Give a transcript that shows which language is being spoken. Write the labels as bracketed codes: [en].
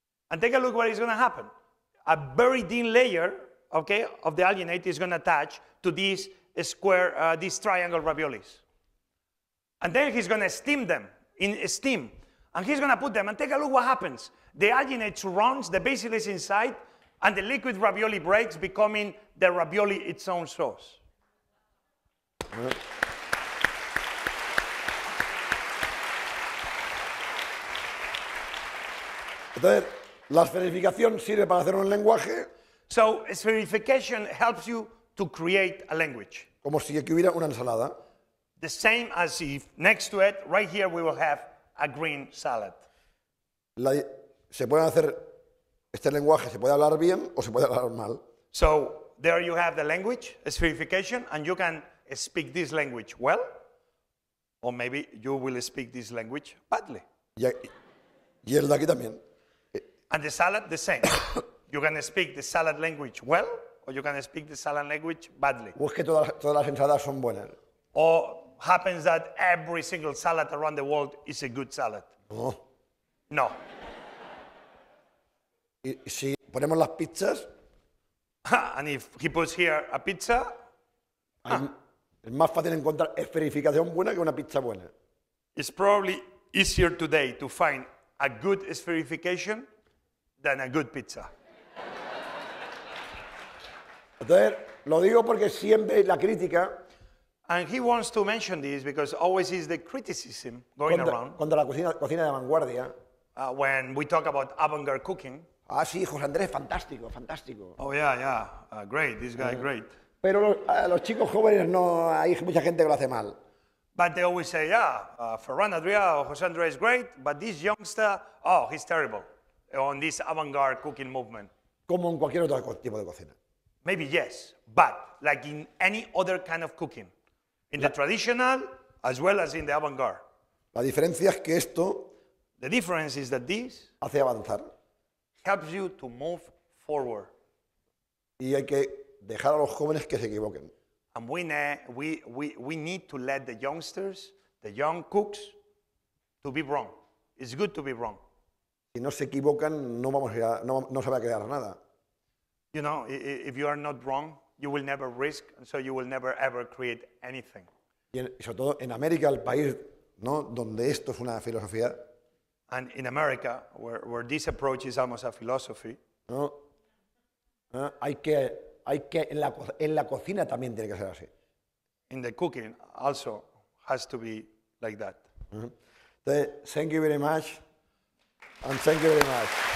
[en] And take a look what is going to happen. A very thin layer, okay, of the alginate is going to attach to these square, these triangle raviolis. And then he's going to steam them in steam. And he's going to put them. And take a look what happens. The alginate runs, the basil is inside, and the liquid ravioli breaks, becoming the ravioli its own sauce. [es] Entonces, la esferificación sirve para hacer un lenguaje. [en] So, spherification helps you to create a language. [es] Como si aquí hubiera una ensalada. [en] The same as if next to it, right here, we will have a green salad. [es] Se puede hacer este lenguaje, se puede hablar bien o se puede hablar mal. [en] So, there you have the language, spherification, and you can speak this language well, or maybe you will speak this language badly. [es] Y el de aquí también. [en] And the salad, the same. You can speak the salad language well, or you can speak the salad language badly. [es] O es que todas las ensaladas son buenas. [en] Or happens that every single salad around the world is a good salad. [es] No. Y si ponemos las pizzas. [en] And if he puts here a pizza. [es] Es más fácil encontrar esferificación buena que una pizza buena. [en] It's probably easier today to find a good esferification than a good pizza. [es] Entonces, lo digo porque siempre la crítica. [en] And he wants to mention this because always is the criticism going around. [es] Contra la cocina de vanguardia. [en] When we talk about avant-garde cooking. [es] Ah, sí, José Andrés, fantástico, fantástico. [en] Oh, yeah, yeah. Great, this guy, great. [es] Pero los chicos jóvenes no, hay mucha gente que lo hace mal. [en] But they always say, yeah, Ferran Adria or José Andrés is great, but this youngster, oh, he's terrible on this avant-garde cooking movement. [es] Como en cualquier otro tipo de cocina. [en] Maybe yes, but like in any other kind of cooking, in the traditional as well as in the avant-garde. [es] La diferencia es que esto. [en] The difference is that this [es] hace avanzar. [en] Helps you to move forward. [es] Y hay que dejar a los jóvenes que se equivoquen. [en] And we need to let the youngsters, the young cooks, to be wrong. It's good to be wrong. [es] Si no se equivocan, no se va a quedar nada. [en] You know, if you are not wrong, you will never risk, and so you will never ever create anything. [es] Y sobre todo en América, el país, ¿no?, donde esto es una filosofía. [en] And in America, where this approach is almost a philosophy. [es] No. Hay que en la cocina también tiene que ser así. [en] In the cooking also has to be like that. Thank you very much. And thank you very much.